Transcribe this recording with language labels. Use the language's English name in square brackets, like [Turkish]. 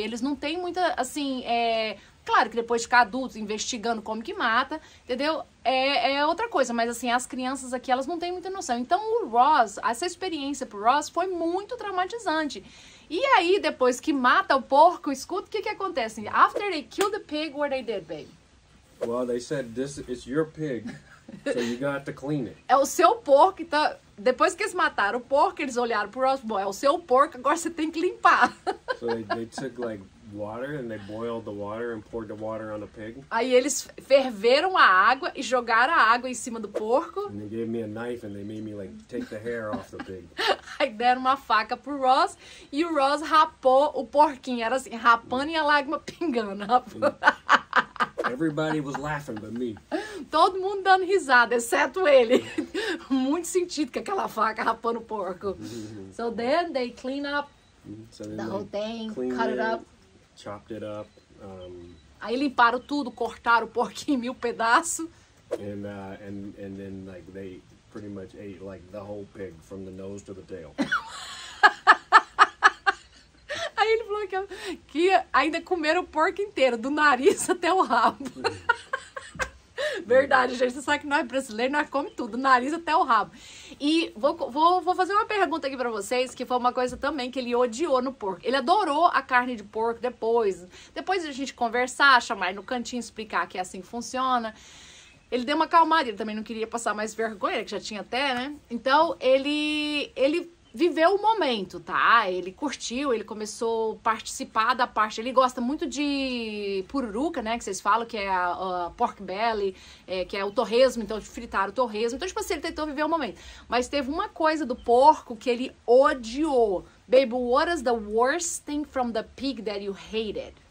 [Portuguese] Eles não têm muita, assim, claro que depois de ficar adulto, investigando como que mata, entendeu? É outra coisa, mas assim, as crianças aqui, elas não têm muita noção. Então, o Ross, essa experiência pro Ross foi muito traumatizante. E aí, depois que mata o porco, escuta o que acontece. [English] After they kill the pig, what they did, babe? Well, they said, this is your pig, so you got to clean it. [Portuguese] É o seu porco, então, depois que eles mataram o porco, eles olharam pro Ross, bom, é o seu porco, agora você tem que limpar. [English] So they took, like, water and they boiled the water and poured the water on the pig. [Portuguese] Aí eles ferveram a água e jogaram a água em cima do porco. [English] And they gave me a knife and they made me like take the hair off the pig. [Portuguese] Aí deram uma faca pro Ross e o Ross rapou o porquinho. Era assim, rapando e a lágrima pingando. [English] Everybody was laughing but me. [Portuguese] Todo mundo dando risada, exceto ele. Muito sentido com aquela faca rapando o porco. [English] So then they clean up the whole thing, cut it up. Chopped it up. [Portuguese] Aí limparam tudo, cortaram o porquinho em mil pedaços. [English] And then like they pretty much ate like the whole pig from the nose to the tail. [Portuguese] Aí ele falou que ainda comeram o porco inteiro, do nariz até o rabo. Verdade, gente, você sabe que nós brasileiros, nós comemos tudo, nariz até o rabo. E vou fazer uma pergunta aqui pra vocês, que foi uma coisa também que ele odiou no porco. Ele adorou a carne de porco depois. Depois de a gente conversar, chamar no cantinho, explicar que é assim que funciona. Ele deu uma acalmada, ele também não queria passar mais vergonha, que já tinha até, né? Então, ele viveu o momento, tá? Ele curtiu, ele começou a participar da parte. Ele gosta muito de pururuca, né? Que vocês falam que é a pork belly, que é o torresmo, então de fritar o torresmo. Então, tipo assim, ele tentou viver o momento. Mas teve uma coisa do porco que ele odiou. [English] Babe, what is the worst thing from the pig that you hated?